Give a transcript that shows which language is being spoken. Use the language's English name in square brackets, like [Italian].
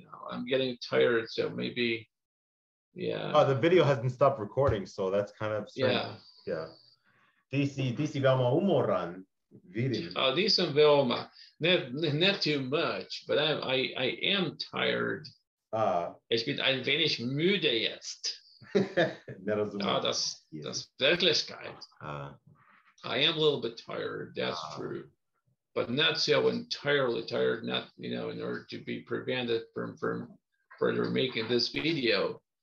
[English] I'm getting tired, so maybe. Yeah. Oh, the video hasn't stopped recording, so that's kind of strange. Yeah. [Serbian] Yeah. Ti si veoma umoran, vidim. Oh, nisam veoma. [English] Not too much, but I am tired. [German] Ich bin ein wenig müde jetzt. das wirklich geil. [English] I am a little bit tired, that's true. But not so entirely tired, not, you know, in order to be prevented from further making this video.